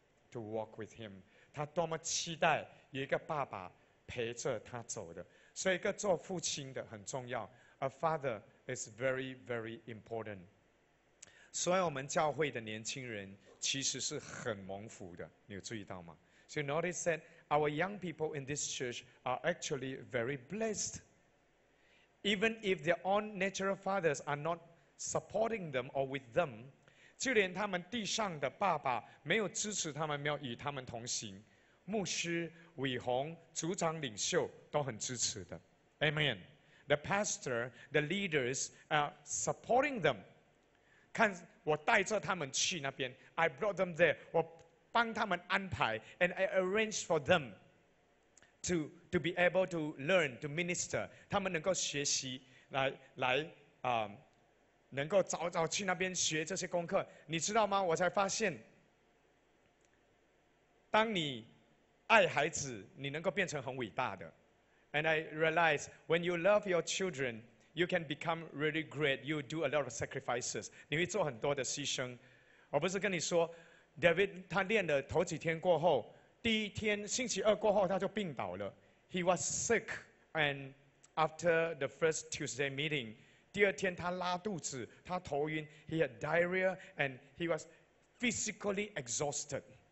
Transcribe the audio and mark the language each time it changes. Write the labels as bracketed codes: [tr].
[en] To walk with him, [zh] 他多么期待有一个爸爸陪着他走的。所以，一个做父亲的很重要。 [en] A father is very, very important. [zh] 所以，我们教会的年轻人其实是很蒙福的。你有注意到吗 ？ [en] So notice that our young people in this church are actually very blessed. Even if their own natural fathers are not supporting them or with them. [zh] 就连他们地上的爸爸没有支持他们，没有与他们同行，牧师、伟宏、组长、领袖都很支持的。 [en] Amen. The pastor, the leaders are supporting them. [zh] 看，我带着他们去那边 ， [en] I brought them there. [zh] 我帮他们安排 ， [en] and I arranged for them to be able to learn to minister. [zh] 他们能够学习，来。能够早早去那边学这些功课，你知道吗？我才发现，当你爱孩子，你能够变成很伟大的。 [en] And I realized when you love your children, you can become really great. You do a lot of sacrifices. [zh] 你会做很多的牺牲。我不是跟你说 ，David 他练了头几天过后，第一天星期二过后他就病倒了。 [en] He was sick, and after the first Tuesday meeting, [zh] 第二天他拉肚子，他头晕 ， [en] he had diarrhea, and he was physically exhausted.